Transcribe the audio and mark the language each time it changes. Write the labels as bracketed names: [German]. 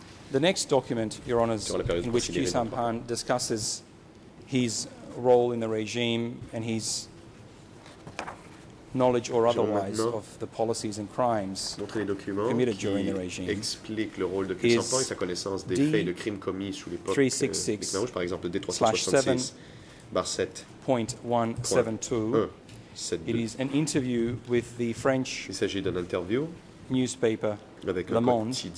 [English] The next document, Your Honours, in which Khieu Samphan discusses his role in the regime and his knowledge or otherwise of the policies and crimes committed during the regime, [French] explique le rôle de Khieu Samphan et sa connaissance des faits de crimes commis sous l'époque Khmer, par exemple D366/7.172. [English] It is an interview with the French newspaper Le Monde.